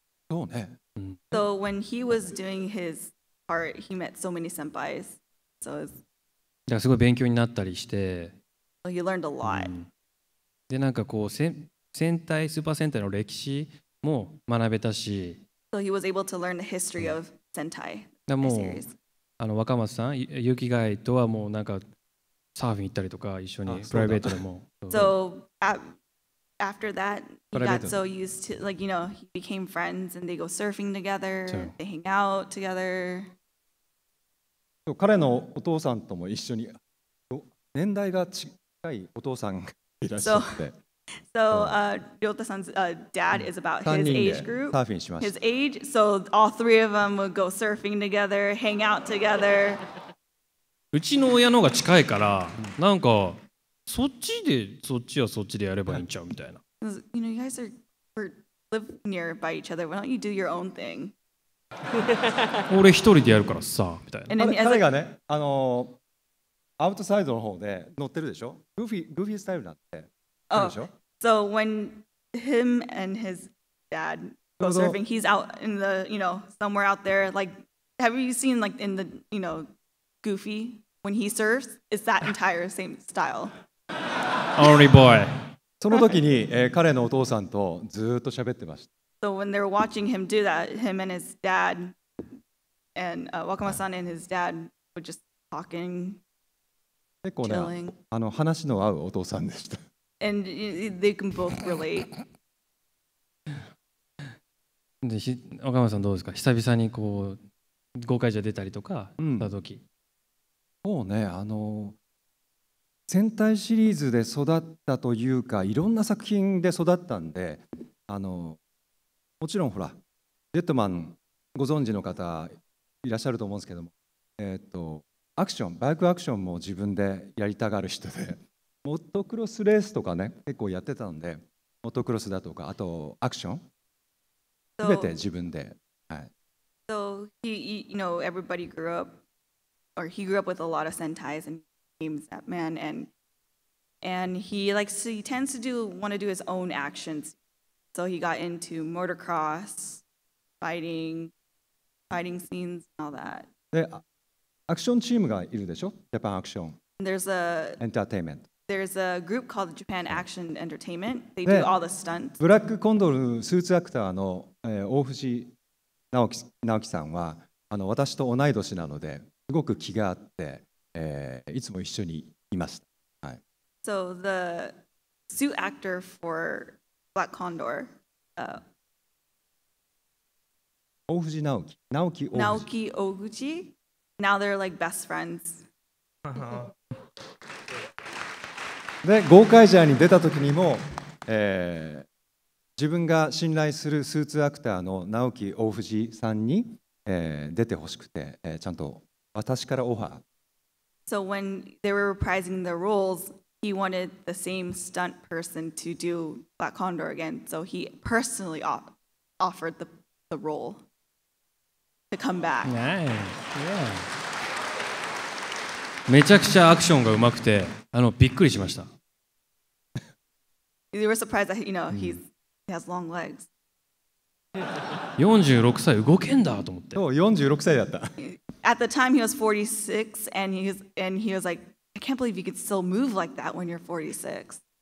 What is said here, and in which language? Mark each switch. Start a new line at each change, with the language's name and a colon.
Japanese: そうね。
English: So when he was doing his part, he met so many senpais. So it's.
Japanese: だからすごい勉強になったりして。
English: So he learned a lot.
Japanese: でなんかこう戦隊スーパー戦隊の歴史も学べたし。
English: So he was able to learn the history of Sentai.
Japanese: でもあの若松さん、勇気外とはもうなんかサーフィン行ったりとか一緒にプライベートでも。
English: So after that. He got so used to, like, you know, he became friends and they go surfing together, they hang out together.
Japanese: So, 彼のお父さんとも一緒に、年代がいお父さんがいらっしゃって。
English: So, Ryota-san's dad is about his age group. His age. So, all three of them would go surfing together, hang out together.
Japanese: うちの親のが近いから、なんかそっちでそっちはそっちでやればいいんちゃうみたいな。
English: You know, you guys are live near by each other. Why don't you do your own thing?
Japanese: 俺一人でやるからさ、みたいな。彼がね、アウトサイドの方で乗ってるでしょ。グーフィースタイルになって。
English: Oh, so when him and his dad go surfing, he's out in the, you know, somewhere out there. Like, have you seen, like, in the, you know, Goofy, when he surfs? It's that entire same style. Only boy.
Japanese: その時に、彼のお父さんとずっと喋ってました。
English: So when they're watching him do that, him and his dad, and Wakama-san and his dad were just talking, chilling.
Japanese: 結構ね、話の合うお父さんでした。
English: And they can both relate.
Japanese: で、岡本さんどうですか。久々にこう豪快じゃ出たりとかした時。うん、そうね、戦隊シリーズで育ったというか、いろんな作品で育ったんで、もちろんほらジェットマンご存知の方いらっしゃると思うんですけども、アクションバイクアクションも自分でやりたがる人で。モトクロスレースとかね、結構やってたんで、モトクロスだとか、あとアクション、すべて自分で。はい。
English: So, he, you know, everybody grew up, or he grew up with a lot of Sentais and games, that man, and he likes to, he tends to do, want to do his own actions. So he got into motocross, fighting scenes, all that.
Japanese: で、アクションチームがいるでしょ、ジャパンアクション。
English: There's a...
Japanese: エンターテイメント。
English: There's a group called Japan Action Entertainment. They do all the stunts.
Japanese: ブラックコンドルスーツアクターの、大藤直樹さんは私と同い年なのですごく気があって、いつも一緒にいました。はい。
English: So the suit actor for Black Condor,
Japanese: 大藤直樹
English: 。 直樹大藤。Now they're like best friends.
Japanese: で、ゴーカイジャーに出た時にも、自分が信頼するスーツアクターの直樹大藤さんに、出てほしくて、ちゃんと私からオファー。
English: So when they were reprising their roles, he wanted the same stunt person to do Black Condor again. So he personally offered the role to come back. Nice. Yeah.
Japanese: めちゃくちゃアクションがうまくて、びっくりしました。
English: You were surprised that, you know, he has long legs.
Japanese: 46歳動けんだと思って。そう、46歳だった。
English: At the time he was 46 and he was like, I can't believe you could still move like that when you're 46.